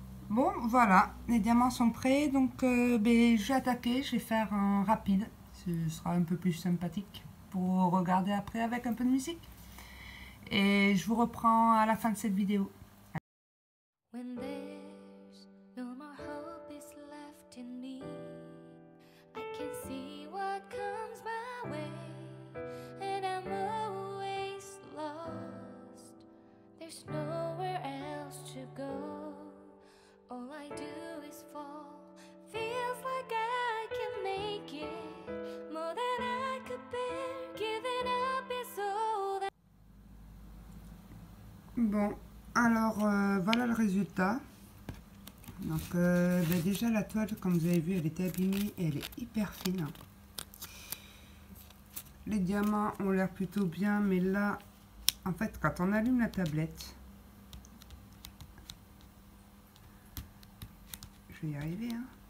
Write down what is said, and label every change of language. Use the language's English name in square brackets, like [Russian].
[French] Bon, voilà, les diamants sont prêts, donc je vais attaquer, je vais faire un rapide. Ce sera un peu plus sympathique pour regarder après avec un peu de musique. Et je vous reprends à la fin de cette vidéo. [English] When there's no more hope is left in me, I can see what comes my way, and I'm always lost, there's nowhere else to go. All I do is fall, feels like I can make it, more than I could bear, giving up is all that... [French] Bon, alors voilà le résultat. Donc déjà la toile, comme vous avez vu, elle était abîmée et elle est hyper fine. Les diamants ont l'air plutôt bien, mais là, en fait, quand on allume la tablette, je vais y arriver, hein.